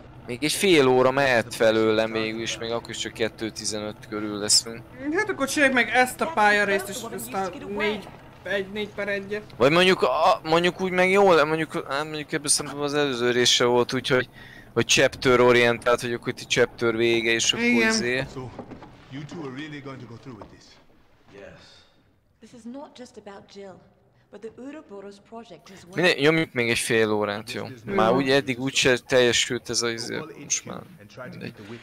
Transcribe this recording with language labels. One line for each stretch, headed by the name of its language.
Hungarian: Még egy fél óra mehet felőle mégis, még akkor is csak 2:15 körül leszünk. Hát akkor csináljuk meg ezt a pályarészt, és aztán 4x1-et. Vagy mondjuk úgy meg jól, mondjuk ebből szerintem az előző része volt, úgyhogy hogy chapter orientált, hogy akkor itt chapter vége, és akkor igen. Azért. Igen.
English: So, you two are really going to go through with this? Yes. This is not just about Jill. But the Ouroboros project is one.
Hungarian: Minden, nyomjuk még egy fél órát, jó. Már úgy eddig úgyse teljesült ez az izé, most már mindegy.